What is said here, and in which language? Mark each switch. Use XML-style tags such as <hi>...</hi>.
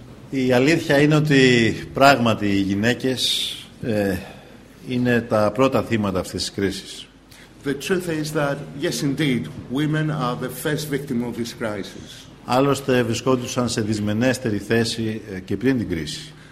<el>Η αλήθεια είναι ότι πράγματι οι γυναίκες είναι τα πρώτα θύματα αυτής της κρίσης.</el> <en>The truth is that, yes indeed, women are the first victim of this crisis.</en> <el>Άλλωστε βρισκόντουσαν σε δυσμενέστερη θέση και πριν την κρίση.</el>